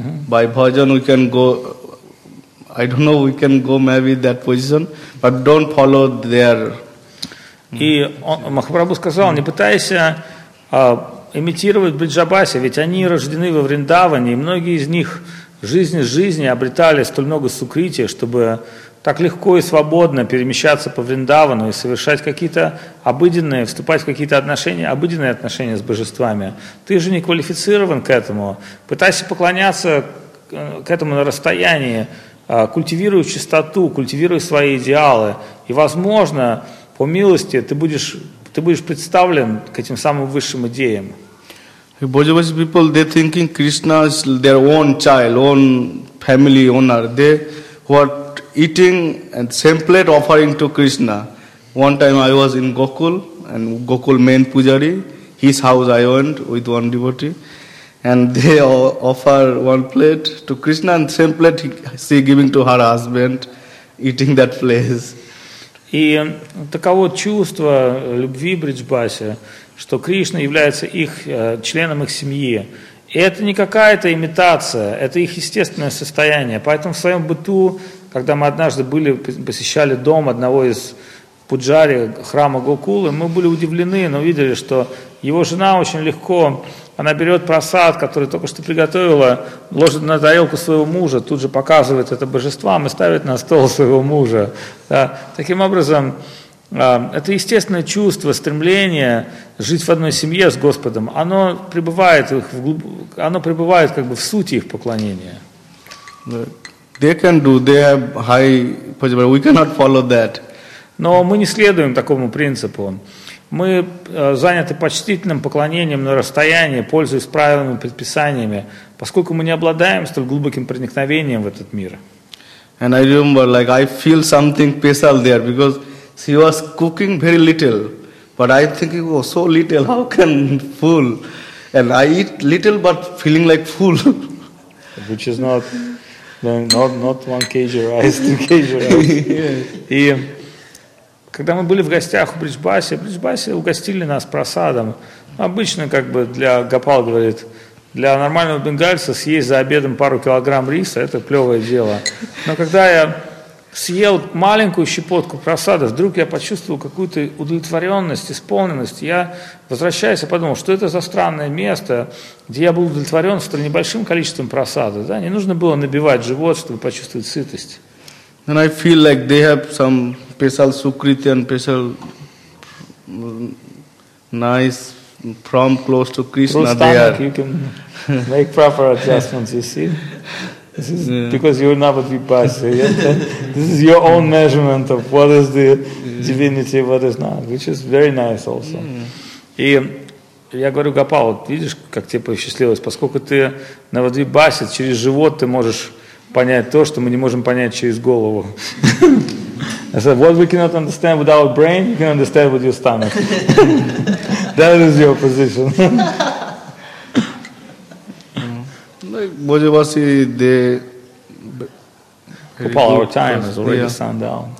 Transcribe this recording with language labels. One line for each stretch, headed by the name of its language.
English: I don't know, we can go maybe that position, but don't follow their...
Russian: И Махапрабху сказал, не пытайся имитировать Бриджабаси, ведь они рождены во Вриндаване, и многие из них жизни обретали столь много сукрити, чтобы так легко и свободно перемещаться по Вриндавану и совершать какие-то обыденные, вступать в какие-то отношения, обыденные отношения с божествами. Ты же не квалифицирован к этому. Пытайся поклоняться к этому на расстоянии, культивируй чистоту, культивируй свои идеалы, и, возможно, по милости ты будешь представлен к этим самым высшим идеям.
English: Bhojavasi people, they thinking Krishna is their own child, own family owner. They what eating and same plate offering to Krishna. One time I was in Gokul and Gokul main pujari, his house I went with one devotee. And they offer one plate to Krishna and same plate she giving to her husband, eating that place.
Russian: И таково чувство любви Бриджбаси, что Кришна является их членом их семьи. И это не какая-то имитация, это их естественное состояние. Поэтому в своем быту, когда мы однажды были посещали дом одного из пуджари храма Гокулы, мы были удивлены, но видели, что его жена очень легко... Она берет просад, который только что приготовила, ложит на тарелку своего мужа, тут же показывает это божество, и ставит на стол своего мужа. Да. Таким образом, Это естественное чувство, стремление жить в одной семье с Господом. Оно пребывает, оно пребывает как бы в сути их поклонения.
English: They can do, they have high, but we cannot follow that.
Russian: Но мы не следуем такому принципу. Мы заняты почтительным поклонением на расстоянии, пользуясь правилами и предписаниями, поскольку мы не обладаем столь глубоким проникновением в этот мир.
English: And I remember, like, I feel something special there, because she was cooking very little, but I think it was so little, how can full? And I eat little, but feeling like full. Which is not, not 1 kg rice, 2 kg rice. Yeah.
Russian: И когда мы были в гостях у Бриджбаси, Бриджбаси угостили нас просадом. Обычно, как бы, для Гопал говорит, для нормального бенгальца съесть за обедом пару килограмм риса – это клевое дело. Но когда я съел маленькую щепотку просада, вдруг я почувствовал какую-то удовлетворенность, исполненность. Я возвращаюсь и подумал, что это за странное место, где я был удовлетворен столь небольшим количеством просада. Да? Не нужно было набивать живот, чтобы почувствовать сытость.
English: And I feel like they have some special sukriti and special nice from close to Krishna. Through stomach, there. You can make proper adjustments, you see. This is because you're not a vipassana. This is your own measurement of what is the divinity, what is not, which is very nice also.
Russian: И я говорю, Гопал, вот видишь, как тебе посчастливилось, поскольку ты на вадвибасе, через живот ты можешь понять то, что мы не можем понять через голову.
English: I said, what we cannot understand with our brain, you can understand with your stomach. That is your position. Bhojavasi, they... Gopal, our time has already sundown.